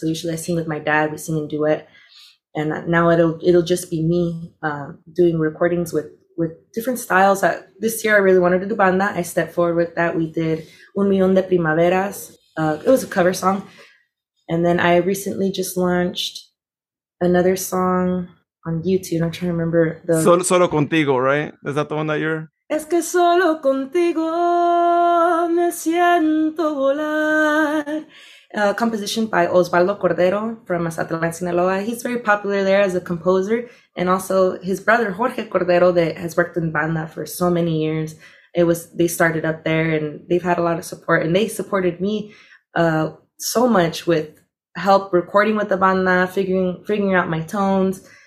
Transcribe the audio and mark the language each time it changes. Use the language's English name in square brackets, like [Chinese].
[English] So usually I sing with my dad, we sing in duet. And now it'll just be me doing recordings with different styles. This year I really wanted to do banda. I stepped forward with that. We did Un Millón de Primaveras. It was a cover song. And then I recently just launched another song on YouTube. I'm trying to remember the Solo Contigo, right? Is that the one that you're? [Spanish] Es que solo contigo me siento volar. [English] Composition by Osvaldo Cordero from Mazatlán, Sinaloa. He's very popular there as a composer, and also his brother Jorge Cordero, that has worked in banda for so many years. They started up there, and they've had a lot of support, and they supported me so much with help recording with the banda, figuring out my tones.